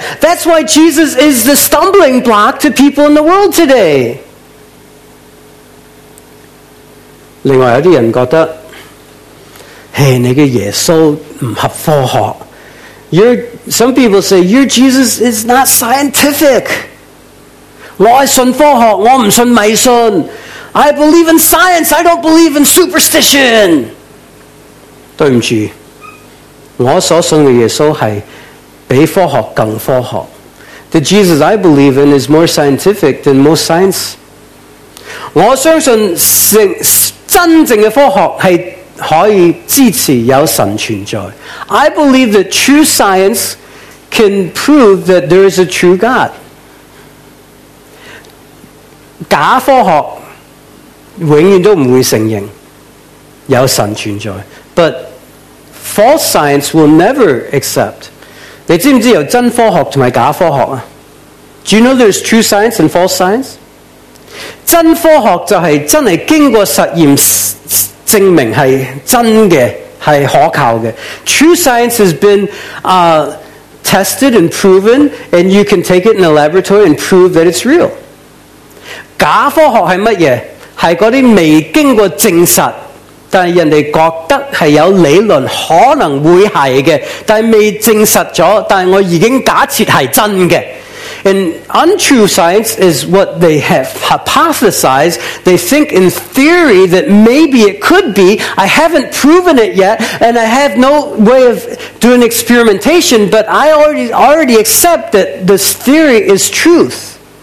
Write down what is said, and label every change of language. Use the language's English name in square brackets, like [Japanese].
[English] That's why Jesus is the stumbling block to people in the world today。 [Chinese] 另外有啲人觉得。Hey, 你的耶稣不合科学。 [English] Some people say, your Jesus is not scientific. [Chinese] 我是信科学，我不信迷信。 [English] I believe in science, I don't believe in superstition. [Chinese] 对不起，我所信的耶稣是比科学更科学。 [English] The Jesus I believe in is more scientific than most science. [Chinese] 我相信真正的科学是可以支持有神存在。 [English] I believe that true science can prove that there is a true God. [Chinese] 假科学永远都不会承认有神存在。 [English] But false science will never accept. [Chinese] 你知不知道有真科学和假科学？ [English] Do you know there's true science and false science? [Chinese] 真科学就是真的经过实验证明是真的，是可靠的。 [English] True science has been tested and proven, and you can take it in a laboratory and prove that it's real. [Chinese] 假科学是什么？是那些未经过证实，但人家觉得是有理论可能会是的，但未证实了，但我已经假设是真的。 [English] And untrue science is what they have hypothesized. They think in theory that maybe it could be. I haven't proven it yet, and I have no way of doing experimentation, but I already accept that this theory is truth.